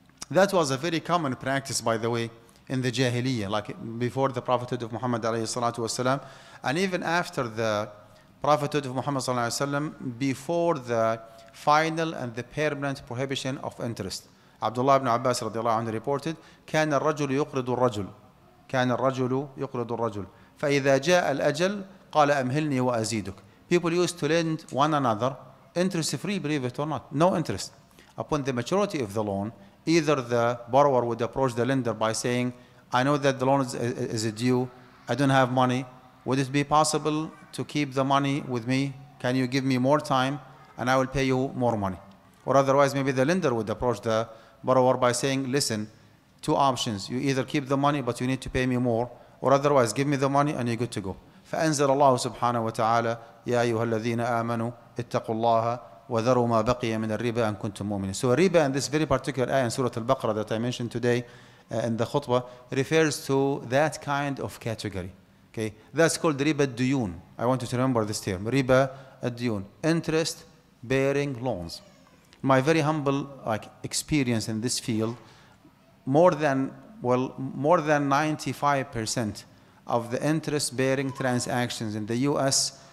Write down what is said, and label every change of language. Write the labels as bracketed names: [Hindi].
[English] That was a very common practice, by the way, in the Jahiliyyah, like before the Prophethood of Muhammad alayhi salatu wasalam, and even after the Prophethood of Muhammad sallallahu alayhi wasalam, before the final and the permanent prohibition of interest. Abdullah ibn Abbas radiallahu anhu reported, [Arabic] كان الرجل يقرض الرجل. كان الرجل يقرض الرجل. فإذا جاء الأجل قال أمهلني وأزيدك. [English] People used to lend one another, interest free, believe it or not, no interest. Upon the maturity of the loan, either the borrower would approach the lender by saying, I know that the loan is due, I don't have money, would it be possible to keep the money with me? Can you give me more time and I will pay you more money? Or otherwise, maybe the lender would approach the borrower by saying, listen, two options, you either keep the money but you need to pay me more, or otherwise, give me the money and you're good to go. [Arabic] فأنزل الله سبحانه وتعالى يا أيها الذين آمنوا اتقوا الله وذروا ما بقي من الربا إن كنتم مؤمنين. [English] So riba in this very particular ayah in Surah Al-Baqarah that I mentioned today in the khutbah refers to that kind of category. Okay, that's called riba al-duyun. I want you to remember this term, riba al-duyun, interest bearing loans. My very humble like experience in this field, more than 95% of the interest-bearing transactions in the U.S.